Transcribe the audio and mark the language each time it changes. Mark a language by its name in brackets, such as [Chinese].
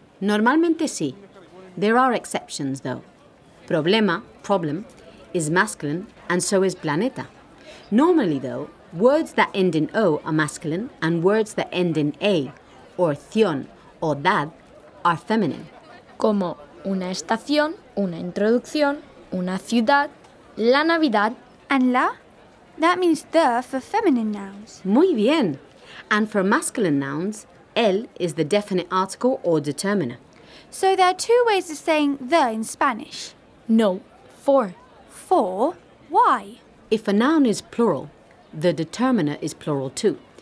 [Spanish] Normalmente sí. [English] There are exceptions, though. Problema, problem, is masculine, and so is planeta. Normally, though, words that end in O are masculine, and words that end in A, or thion, or dad, are feminine. [Spanish] Como una estación, una introducción, una ciudad, la Navidad, and la? [English] That means the for feminine nouns. [Spanish] Muy bien. [English] And for masculine nouns, el is the definite article or determiner. So there are two ways of saying the in Spanish. No, four. Four? Why? If a noun is plural, the determiner is plural too.